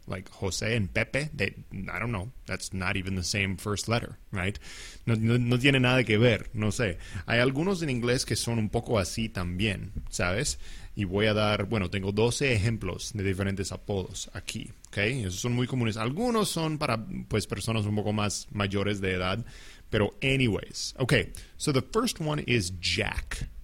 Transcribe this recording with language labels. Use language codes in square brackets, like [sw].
[en] Like, José and Pepe, they, I don't know. That's not even the same first letter, right? [es] No tiene nada que ver, no sé. Hay algunos en inglés que son un poco así también, ¿sabes? Y voy a dar, bueno, tengo 12 ejemplos de diferentes apodos aquí, ¿ok? Esos son muy comunes. Algunos son para, pues, personas un poco más mayores de edad. Pero [en] anyways, okay, so the first one is Jack.